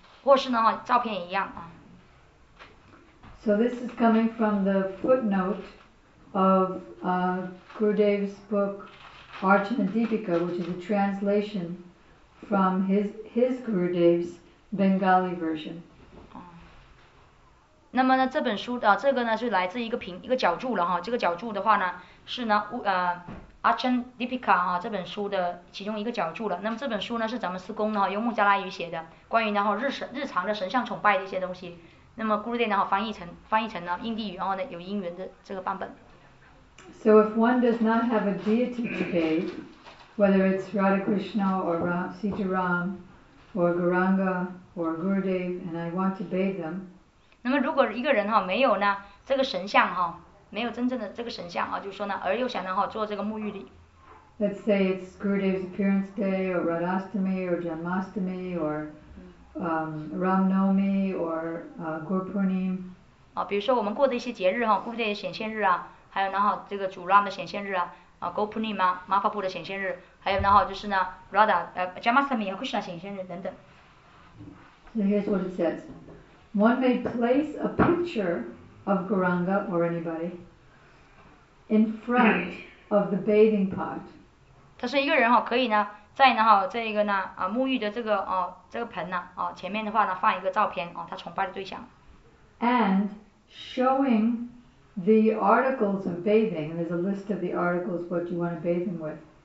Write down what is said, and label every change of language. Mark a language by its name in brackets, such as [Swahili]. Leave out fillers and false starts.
[Chinese] 或是呢哈，照片也一样啊。 [English] So this is coming from the footnote of Gurudev's book Archana Deepika, which is a translation from his Gurudev's Bengali version. [Chinese] 那么呢，这本书的这个呢是来自一个角注了这个角注的话呢是呢Archana Deepika 这本书的其中一个角注了。那么这本书呢是咱们师公呢由木加拉语写的，关于呢日常的神像崇拜的一些东西。那么 Gurudev 呢翻译成呢印地语呢有英文的这个版本。 [English] So if one does not have a deity to bathe, whether it's Radha Krishna or Sita Ram or Gauranga or Gurudev, and I want to bathe them. [Chinese] 那么如果一个人没有呢这个神像没有真正的这个神像就是说呢而又想呢做这个沐浴礼。 [English] Let's say it's Gurudev's appearance day, or Radhastami, or Janmastami, or Ramnomi, or Gurpurnim. [Chinese] 比如说我们过的一些节日Gurudev的显现日还有呢这个主 Ram 的显现日Gurpurnim, Mahaprabhu 的显现日还有呢就是呢 Radha, Janmastami, Krishna 显现日等等。 [English] So here's what it says. One may place a picture of Gauranga or anybody in front of the bathing pot. [Chinese] 他是一个人可以呢，在呢这个呢沐浴的这个这个盆呢前面的话呢放一个照片他崇拜的对象。 [English] And showing the articles of bathing, and there's a list of the articles what you want to bathe them with.